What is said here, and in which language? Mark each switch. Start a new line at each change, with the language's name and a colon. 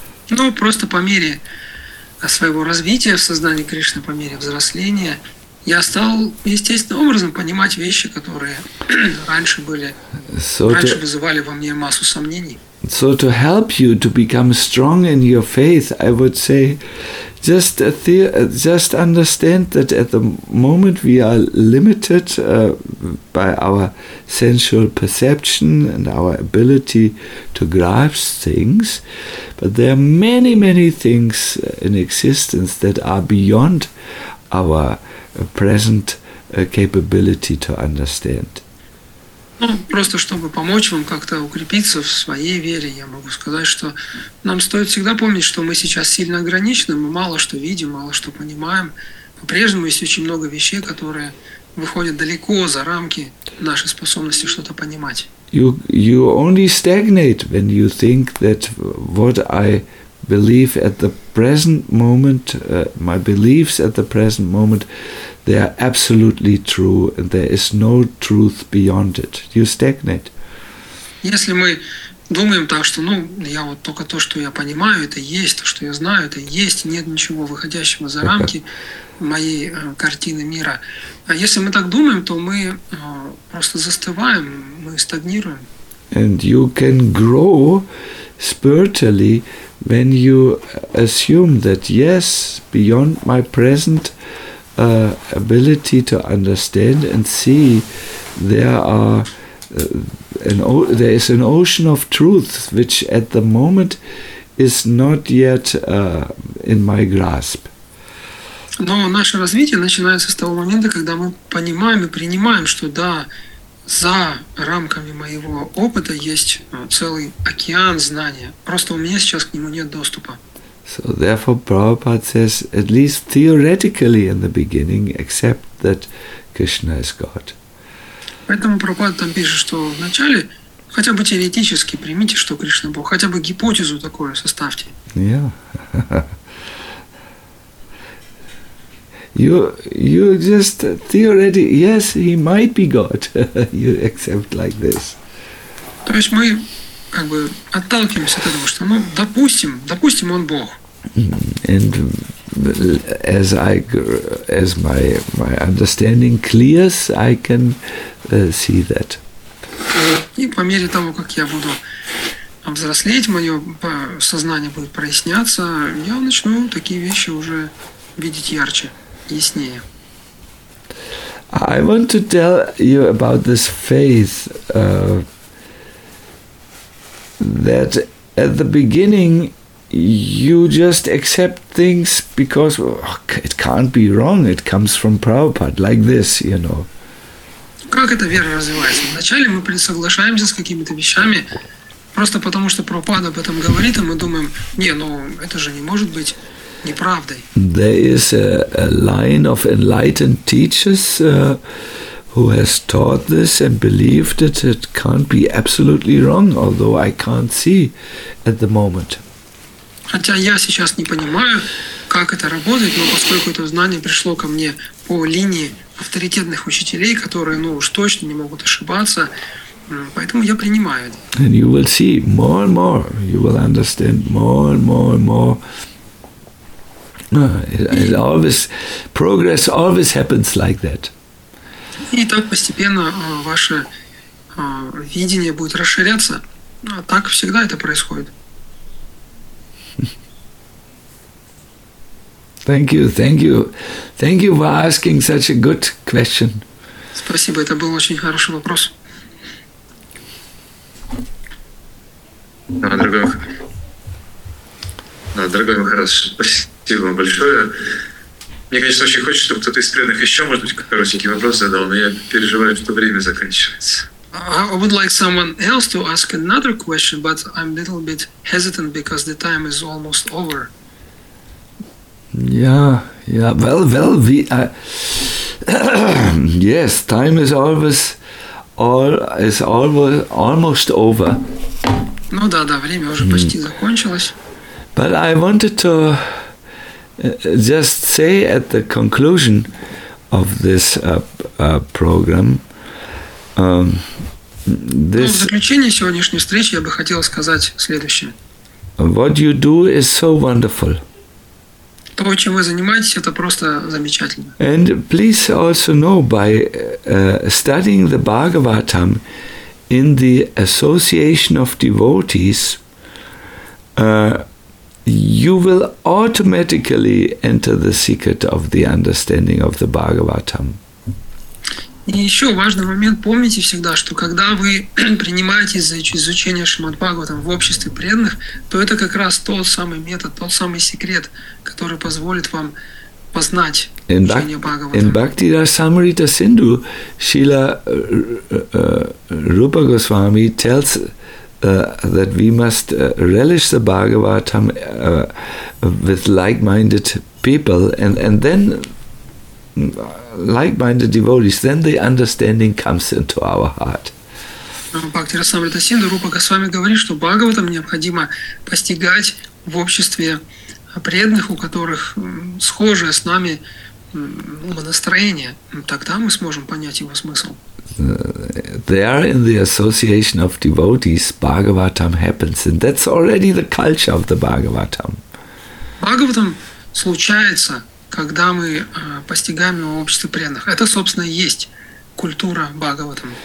Russian: Ну, просто по мере своего развития в сознании Кришны, по мере взросления, я стал естественным образом понимать вещи, которые раньше вызывали во мне массу сомнений.
English: So to help you to become strong in your faith, I would say, just understand that at the moment we are limited by our sensual perception and our ability to grasp things, but there are many, many things in existence that are beyond our present capability to understand.
Russian: Ну, просто чтобы помочь вам как-то укрепиться в своей вере, я могу сказать, что нам стоит всегда помнить, что мы сейчас сильно ограничены, мы мало что видим, мало что понимаем. По-прежнему есть очень много вещей, которые выходят далеко за рамки нашей способности что-то понимать.
English: You only stagnate when you think that what I believe at the present moment, my beliefs at the present moment, they are absolutely true, and there is no truth beyond it. You stagnate.
Russian: Если мы думаем так, что, ну, я вот только то, что я понимаю, это есть, то, что я знаю, это есть, нет ничего выходящего за рамки моей картины мира. А если мы так думаем, то мы просто застываем, мы стагнируем.
English: And you can grow spiritually when you assume that, yes, beyond my present ability to understand and see, there is an ocean of truth which at the moment is not yet in my grasp.
Russian: Но наше развитие начинается с того момента, когда мы понимаем и принимаем, что да, за рамками моего опыта есть целый океан знания. Просто у меня сейчас к нему нет доступа.
English: So therefore Prabhupada says, at least theoretically in the beginning, accept that Krishna is God.
Russian: Поэтому Прабхупада там пишет, что вначале хотя бы теоретически примите, что Кришна Бог, хотя бы гипотезу такую составьте.
English: You just theoretically, yes, he might be God. You accept like this.
Russian: То есть мы как бы отталкиваемся от того, что, ну, допустим, он Бог.
English: And as my understanding clears, I can see that.
Russian: И по мере того, как я буду взрослеть, мое сознание будет проясняться, я начну такие вещи уже видеть ярче, яснее.
English: I want to tell you about this faith that at the beginning you just accept things because it can't be wrong, it comes from Prabhupada, like this, you know.
Russian: Как эта вера развивается? Вначале мы соглашаемся с какими-то вещами, просто потому что Прабхупада об этом говорит, и мы думаем, не, ну это же не может быть неправдой.
English: There is a line of enlightened teachers who has taught this and believed that it can't be absolutely wrong, although I can't see at the moment.
Russian: Хотя я сейчас не понимаю, как это работает, но поскольку это знание пришло ко мне по линии авторитетных учителей, которые, ну уж точно не могут ошибаться, поэтому я принимаю это.
English: And you will see more and more, you will understand more and more and more. It always, progress always happens like that.
Russian: И так постепенно ваше видение будет расширяться. Так всегда это происходит.
English: Thank you, thank you. Thank you for asking such a good question.
Russian: Спасибо, это был очень хороший вопрос. Дорогой Махарадж, спасибо вам большое. Мне, конечно, очень хочется, чтобы кто-то из преданных еще, может быть, коротенький вопрос задал, но я переживаю, что время заканчивается.
English: I would like someone else to ask another question, but I'm a little bit hesitant because the time is almost over. Yeah. Yes, time is almost over.
Russian: Ну да, да, время уже почти закончилось.
English: But I wanted to just say at the conclusion of this program.
Russian: В заключение сегодняшней встречи я бы хотел сказать следующее.
English: What you do is so wonderful.
Russian: То, чем вы занимаетесь, это просто замечательно.
English: And please also know by studying the Bhagavatam in the association of devotees, you will automatically enter the secret of the understanding of the Bhagavatam.
Russian: И еще важный момент, помните всегда, что когда вы принимаете за изучение Шримад-Бхагаватам в обществе преданных, то это как раз тот самый метод, тот самый секрет, который позволит вам познать учение Бхагаватам.
English: In Bhakti Rasamrita Sindhu, Srila Rupa Goswami tells that we must relish the Bhagavatam with like-minded people, and then like-minded devotees, then the understanding comes into our heart.
Russian: Бхакти Расамрита Синдху Рупа Госвами говорит, что Бхагаватам необходимо постигать в обществе преданных, у которых схожее с нами настроение. Тогда мы сможем понять его смысл.
English: There in the association of devotees, Bhagavatam happens, and that's already the culture of the Bhagavatam.
Russian: Бхагаватам случается, когда мы постигаем его в обществе преданных. Это, собственно, и есть культура Бхагаватам.